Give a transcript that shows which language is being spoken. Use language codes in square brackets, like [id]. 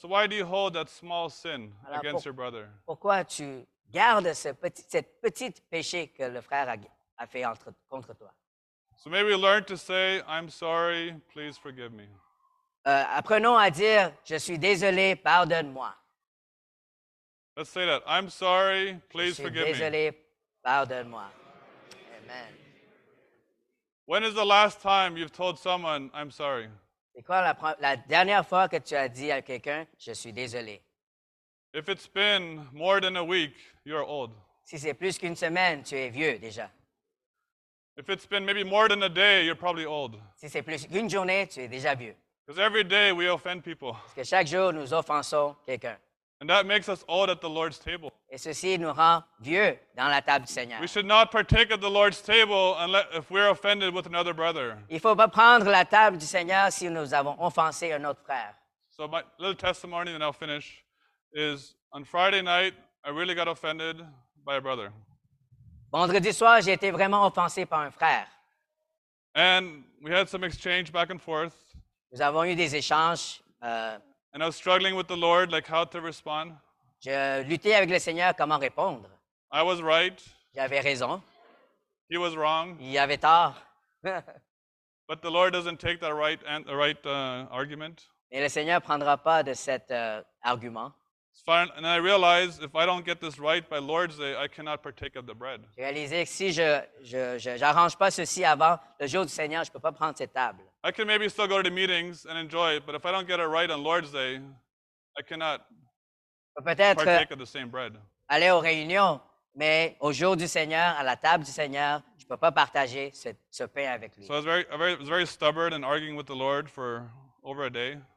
[en] So why do you hold that small sin against your brother? [fr] Pourquoi tu gardes cette petite péché que le frère a fait contre toi? [en] So may we learn to say, I'm sorry, please forgive me. [fr] Apprenons à dire, je suis désolé, pardonne-moi. [en] Let's say that. I'm sorry, please forgive [fr] désolé, Je suis désolé, pardonne-moi. Amen. [en] When is the last time you've told someone, I'm sorry? [fr] C'est quoi la dernière fois que tu as dit à quelqu'un, je suis désolé? [en] If it's been more than a week, you're old. [fr] Si c'est plus qu'une semaine, tu es vieux déjà. [en] If it's been maybe more than a day, you're probably old. [fr] Si c'est plus qu'une journée, tu es déjà vieux. [en] Because every day we offend people. [fr] Parce que chaque jour, nous offensons quelqu'un. [en] And that makes us old at the Lord's table. [fr] Et ceci nous rend vieux dans la table du Seigneur. [en] We should not partake of the Lord's table unless if we're offended with another brother. [fr] Il faut pas prendre la table du Seigneur si nous avons offensé un autre frère. [en] So my little testimony, and I'll finish, is on Friday night I really got offended by a brother. [fr] Vendredi soir, j'ai été vraiment offensé par un frère. [en] And we had some exchange back and forth. [fr] Nous avons eu des échanges. [en] And I was struggling with the Lord, like how to respond. [fr] Je luttais avec le Seigneur, comment répondre. [en] I was right. [fr] J'avais raison. [en] He was wrong. [fr] Il avait tort. [en] But the Lord doesn't take that right argument. [fr] Mais le Seigneur prendra pas de cet argument. [en] And I realized, if I don't get this right by Lord's Day, I cannot partake of the bread. [fr] J'ai réalisé que si je n'arrange pas ceci avant le jour du Seigneur, je ne peux pas prendre cette table. [en] I can maybe still go to the meetings and enjoy it, but if I don't get it right on Lord's Day, I cannot partake of the same bread. [fr] Aller aux réunions, mais au jour du Seigneur, à la table du Seigneur, je ne peux pas partager ce pain avec lui. [en] So I was very stubborn and arguing with the Lord for over a day.